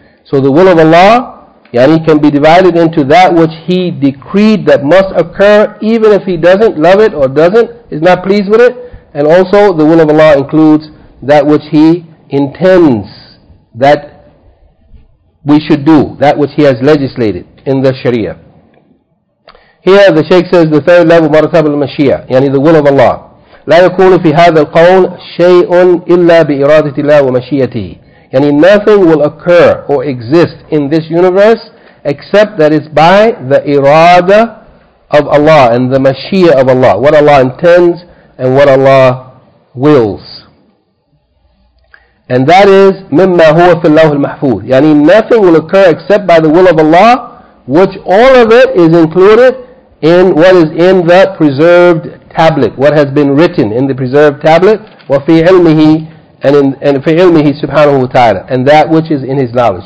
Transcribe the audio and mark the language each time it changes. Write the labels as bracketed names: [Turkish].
[English] So the will of Allah, yani, can be divided into that which he decreed that must occur, even if he doesn't love it or doesn't, is not pleased with it. And also the will of Allah includes that which he intends that we should do, that which he has legislated in the Sharia. Here the Shaykh says the third level, Maratab al-Mashiyah, yani the will of Allah. [Arabic] لا يكون في هذا القول شيء إلا بإرادة الله ومشيئته. [English] Yani nothing will occur or exist in this universe except that it's by the irada of Allah and the mashiyah of Allah, what Allah intends and what Allah wills. And that is [Arabic] مما هو في اللوح المحفوظ. [English] Yani nothing will occur except by the will of Allah, which all of it is included in what is in the preserved tablet, what has been written in the preserved tablet, [Arabic] وفي علمه, [English] and [Arabic] في علمه سبحانه وتعالى, [English] and that which is in his knowledge.